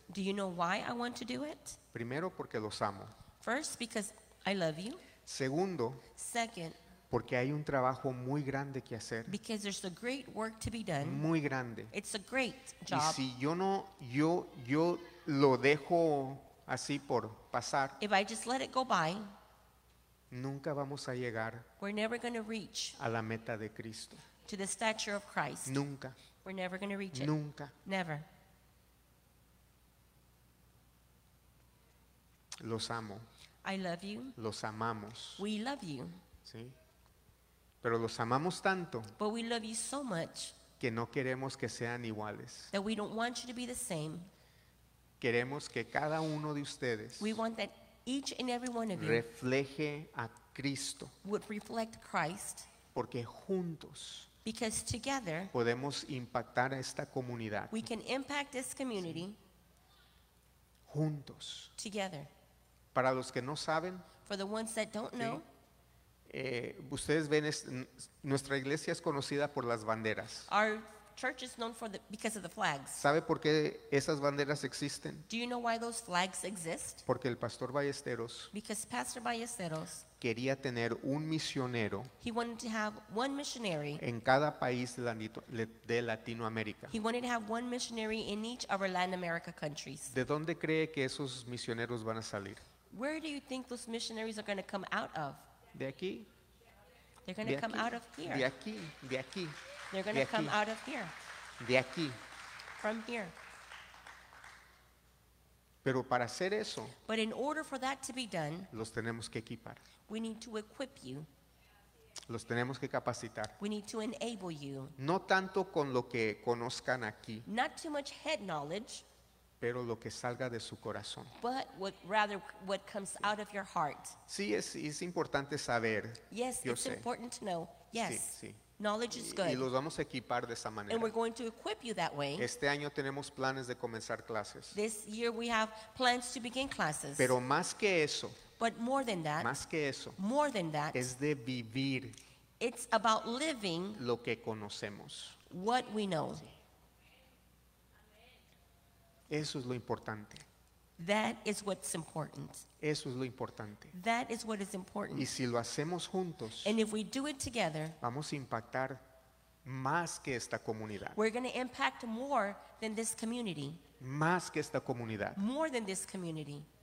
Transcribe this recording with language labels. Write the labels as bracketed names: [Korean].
[English] Do you know why I want to do it? [Spanish] Primero, porque los amo. [English] First, because I love you. [Spanish] Segundo, [English] second, [Spanish] porque hay un trabajo muy grande que hacer. [English] Because there's a great work to be done. [Spanish] Muy grande. [English] It's a great job. [Spanish] Y si yo no, yo lo dejo así por pasar. [English] If I just let it go by, [Spanish] nunca vamos a llegar. [English] We're never going to reach [Spanish] a la meta de Cristo. [English] To the stature of Christ. [Spanish] Nunca. [English] We're never going to reach it. [Spanish] Nunca. [English] Never. [Spanish] Los amo. [English] I love you. [Spanish] Los amamos. [English] We love you. [Spanish] Sí. Pero los amamos tanto. [English] But we love you so much. [Spanish] Que no queremos que sean iguales. [English] That we don't want you to be the same. [Spanish] Queremos que cada uno de ustedes. [English] We want that each and every one of you. [Spanish] Refleje a Cristo. [English] Would reflect Christ. [Spanish] Porque juntos. [English] Because together. [Spanish] Podemos impactar a esta comunidad. [English] We can impact this community. [Spanish] Sí. Juntos. [English] Together. [Spanish] Para los que no saben, [English] for the ones that don't know, [Spanish] ustedes ven, nuestra iglesia es conocida por las banderas. [English] Our church is known for the, because of the flags. [Spanish] ¿Sabe por qué esas banderas existen? [English] Do you know why those flags exist? [Spanish] Porque el pastor Ballesteros, [English] because Pastor Ballesteros, [Spanish] quería tener un misionero, [English] he wanted to have one missionary, [Spanish] en cada país de Latinoamérica. [English] He wanted to have one missionary in each of our Latin America countries. [Spanish] ¿De dónde cree que esos misioneros van a salir? [English] Where do you think those missionaries are going to come out of? [Spanish] De aquí. [English] They're going to come out of here. [Spanish] De aquí. De aquí. [English] They're going to come out of here. [Spanish] De aquí. [English] From here. [Spanish] Pero para hacer eso, [English] but in order for that to be done, [Spanish] los tenemos que equipar. [English] We need to equip you. [Spanish] Los tenemos que capacitar. [English] We need to enable you. [Spanish] No tanto con lo que conozcan aquí. [English] Not too much head knowledge. [Spanish] Pero lo que salga de su corazón. [English] But what, rather what comes out of your heart. [Spanish] Sí, es importante saber. [English] Yes, [Spanish] yo [English] it's [Spanish] sé. [English] Important to know. Yes. [Spanish] Sí, sí. [English] Knowledge is good. [Spanish] Y los vamos a equipar de esa manera. [English] And we're going to equip you that way. [Spanish] Este año tenemos planes de comenzar clases. [English] This year we have plans to begin classes. [Spanish] Pero más que eso. [English] But more than that. [Spanish] Más que eso. [English] More than that. [Spanish] Es de vivir. [English] It's about living. [Spanish] Lo que conocemos. [English] What we know. [Spanish] Eso es lo importante. [English] That is what's important. [Spanish] Eso es lo importante. [English] That is what is important. [Spanish] Y si lo hacemos juntos, [English] and if we do it together, [Spanish] vamos a impactar más que esta comunidad. [English] We're going to impact more than this community. [Spanish] Más que esta comunidad. [English] More than this community.